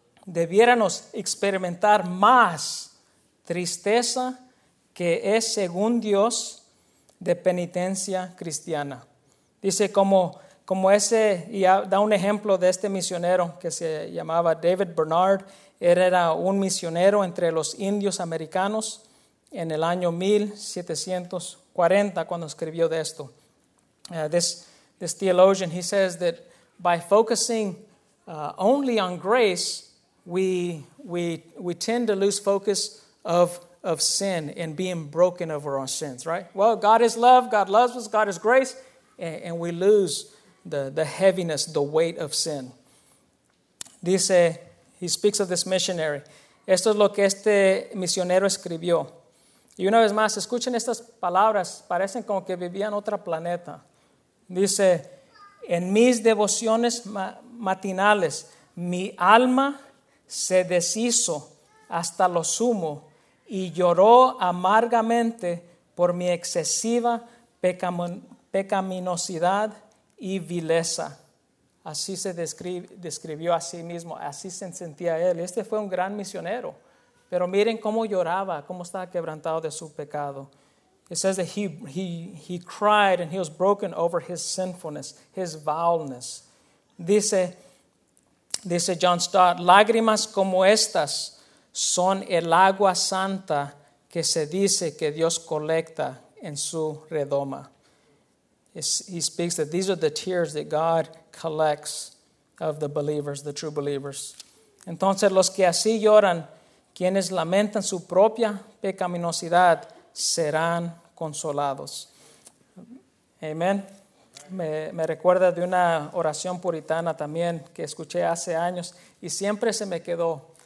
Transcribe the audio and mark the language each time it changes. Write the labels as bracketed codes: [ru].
[es] Debiéramos experimentar más tristeza que es, según Dios, de penitencia cristiana. Dice como ese, y da un ejemplo de este misionero que se llamaba David Bernard. Él era un misionero entre los indios americanos en el año 1740 cuando escribió de esto. [en] This theologian, he says that by focusing only on grace, we tend to lose focus of sin and being broken over our sins, right? Well, God is love, God loves us, God is grace, and we lose the heaviness, the weight of sin. [es] Dice, [en] he speaks of this missionary. [es] Esto es lo que este misionero escribió. Y una vez más, escuchen estas palabras, parecen como que vivían otro planeta. Dice, en mis devociones matinales, mi alma se deshizo hasta lo sumo y lloró amargamente por mi excesiva pecaminosidad y vileza. Así se describió a sí mismo, así se sentía él. Este fue un gran misionero, pero miren cómo lloraba, cómo estaba quebrantado de su pecado. [en] It says that he cried and he was broken over his sinfulness, his vileness. [es] Dice John Stott, lágrimas como estas son el agua santa que se dice que Dios colecta en su redoma. [en] He speaks that these are the tears that God collects of the believers, the true believers. [es] Entonces, los que así lloran, quienes lamentan su propia pecaminosidad, serán consolados. Amén. Me recuerda de una oración puritana también que escuché hace años y siempre se me quedó.